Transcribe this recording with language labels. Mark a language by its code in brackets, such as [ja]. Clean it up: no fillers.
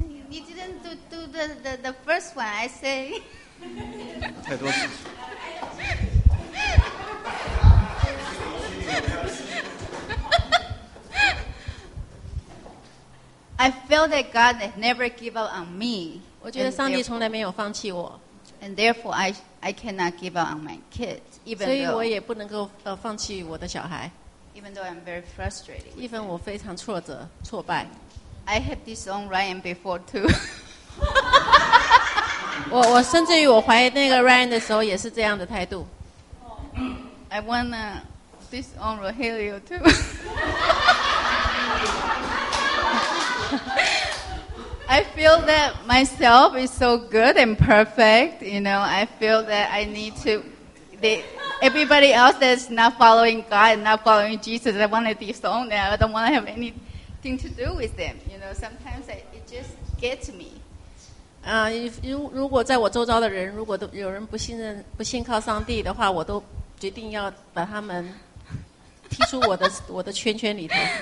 [en] You didn't do the first one, I say. [zh] 太多事情。 [en] I feel that God never give up on me. [zh] 我觉得上帝从来没有放弃我。 [en] And therefore, I cannot give up on my kids, even though. [zh] 所以我也不能够放弃我的小孩。 [en] Even though I'm very frustrated. [zh] 一分我非常挫折挫败。 [en] I have disowned Ryan before too. [zh] 我甚至于我怀疑那个 Ryan 的时候也是这样的态度。 [en] I wanna disown Rogelio too. 。I feel that myself is so good and perfect. You know, I feel that I need to. Everybody else that's not following God and not following Jesus, I wanna disown them. I don't wanna have anything to do with them, you know. Sometimes it just gets me. [zh] 如果在我周遭的人，如果都有人不信任、不信靠上帝的话，我都决定要把他们踢出我的圈圈里头。